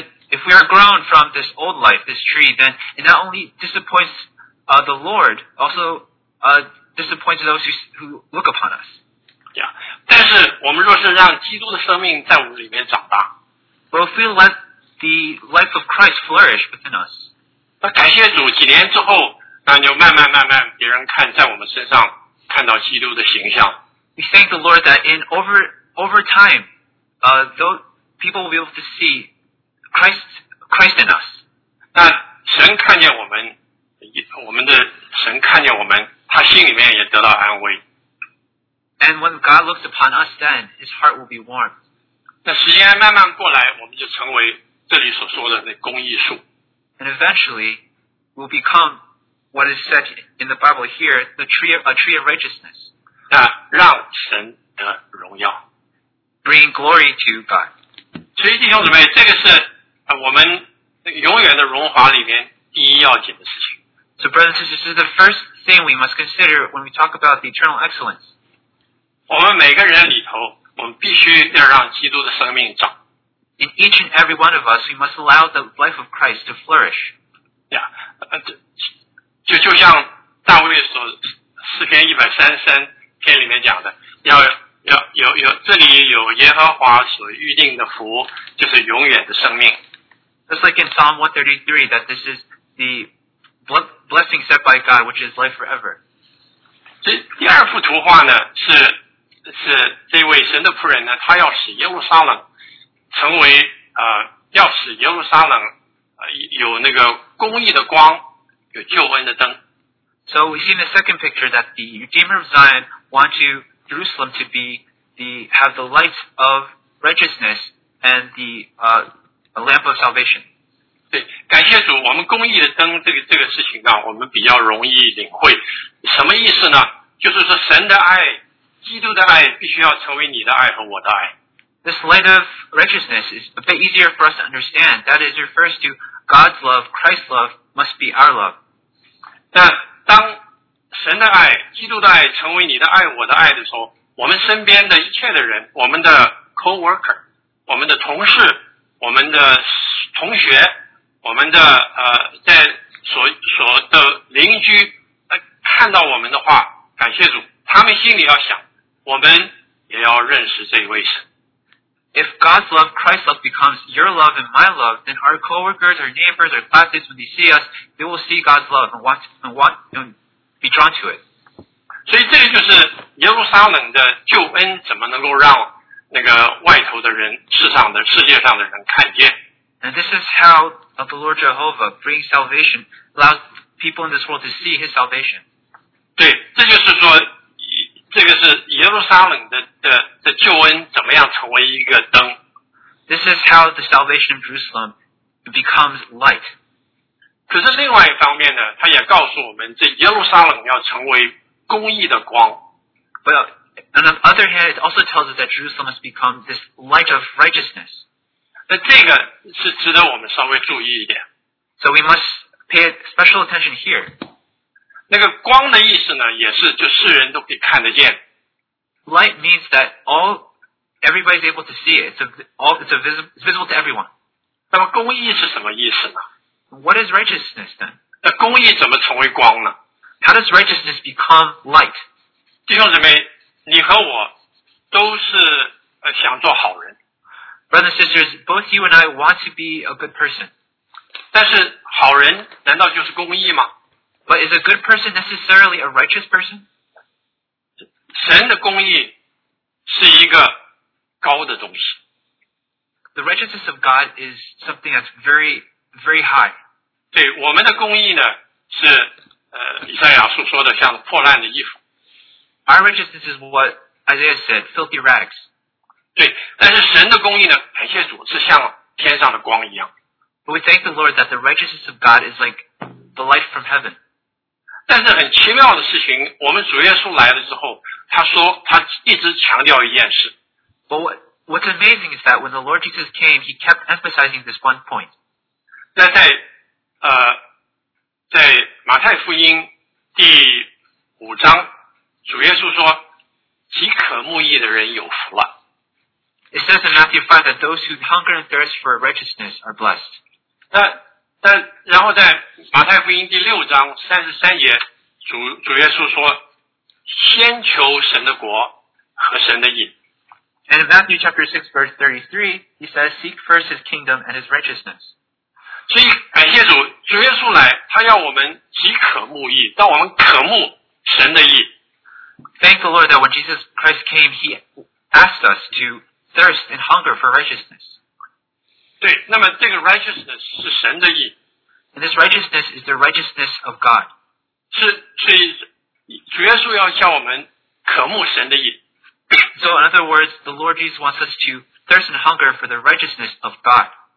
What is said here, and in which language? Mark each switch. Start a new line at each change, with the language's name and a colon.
English: If we are grown from this old life, this tree, then it not only disappoints the Lord, also disappoints those who look upon us. Yeah.
Chinese: 但是我们若是让基督的生命在我们里面长大，
English: but if we let the life of Christ flourish within us,
Chinese: 那感谢主，几年之后，那就慢慢慢慢，别人看在我们身上看到基督的形象。
English: We thank the Lord that in over time, those people will be able to see Christ in us.
Chinese: 那神看见我们的神看见我们，他心里面也得到安慰。
English: And when God looks upon us, then His heart will be warm.
Chinese: 那时间慢慢过来，我们就成为这里所说的那公义树。
English: And eventually, we'll become what is said in the Bible here, a tree of righteousness.
Chinese: 那让神得荣耀。
English: Bring glory to God.
Chinese: 所以弟兄姊妹，这个是我们永远的荣华里面第一要紧的事情。
English: So brothers and sisters, this is the first thing we must consider when we talk about the eternal excellence.
Chinese: 我们每个人里头，我们必须要让基督的生命长。
English: In each and every one of us, we must allow the life of Christ to flourish. Yeah,
Chinese: 就像大卫所诗篇133篇里面讲的，要有这里有耶和华所预定的福，就是永远的生命。
English: Just like in Psalm 133, that this is the blessing set by God, which is life forever.
Chinese: 这第二幅图画呢，是这位神的仆人呢，他要使耶路撒冷成为要使耶路撒冷有那个公义的光，有救恩的灯。
English: So we see in the second picture that the Redeemer of Zion wants Jerusalem to be have the light of righteousness and the lamp of salvation.
Chinese: 对，感谢主，我们公义的灯这个事情呢，我们比较容易领会。什么意思呢？就是说神的爱，基督的爱，必须要成为你的爱和我的爱。
English: This light of righteousness is a bit easier for us to understand. That is refers to God's love, Christ's love must be our love.
Chinese: 那当神的爱，基督的爱成为你的爱，我的爱的时候，我们身边的一切的人，我们的 co-worker, 我们的同事，我们的同学，我们的在所的邻居看到我们的话，感谢主，他们心里要想，我们也要认识这一位神。
English: If God's love, Christ's love becomes your love and my love, then our co-workers, our neighbors, our classmates, when they see us, they will see God's love and want to be drawn to it.
Chinese: 所以这个就是耶路撒冷的救恩怎么能够让那个外头的人，世界上的人看见。
English: And this is how the Lord Jehovah brings salvation, allows people in this world to see his salvation.
Chinese: 对，这就是说，这个是耶路撒冷的救恩怎么样成为一个灯。
English: This is how the salvation of Jerusalem becomes light.
Chinese: 可是另外一方面呢，他也告诉我们，这耶路撒冷要成为公义的光。
English: But on the other hand, it also tells us that Jerusalem has become this light of righteousness.
Chinese: 那这个是值得我们稍微注意一点。
English: So we must pay special attention here.
Chinese: 那个光的意思呢，也是就世人都可以看得见。
English: Light means that everybody's able to see it. It's visible to everyone.
Chinese: 那么公义是什么意思呢？
English: What is righteousness then?
Chinese: 那公义怎么成为光呢？
English: How does righteousness become light?
Chinese: 弟兄姊妹，你和我都是想做好人。
English: Brothers and sisters, both you and I want to be a good person.
Chinese: 但是好人难道就是公义吗？
English: But is a good person necessarily a righteous person?
Chinese: 神的公义是一个高的东西。
English: The righteousness of God is something that's very, very high.
Chinese: 对，我们的公义呢，是以赛亚书说的像破烂的衣服。
English: Our righteousness is what Isaiah said, filthy rags.
Chinese: 对，但是神的公义呢，感谢主，是像天上的光一样。
English: But we thank the Lord that the righteousness of God is like the light from heaven.
Chinese: 但是很奇妙的事情，我们主耶稣来了之后，他说他一直强调一件事。
English: But what's amazing is that when the Lord Jesus came, he kept emphasizing this one point.
Chinese: 在马太福音第五章，主耶稣说，饥渴慕义的人有福了。
English: It says in Matthew 5 that those who hunger and thirst for righteousness are blessed.
Chinese: 但然后在马太福音第六章33节 主耶稣说先求神的国和神的义。
English: And in Matthew chapter 6 verse 33 he says seek first his kingdom and his righteousness.
Chinese: 所以感谢主，主耶稣来他要我们饥渴慕义，让我们渴慕神的义。
English: Thank the Lord that when Jesus Christ came he asked us toThirst and hunger for righteousness.
Chinese: 对，那么这个 righteousness 是神的义。
English: And this righteousness is the righteousness of God.
Chinese: 是主耶稣要向我们渴慕神的义。
English: So in other words, the Lord Jesus wants us to thirst and hunger for the righteousness of God.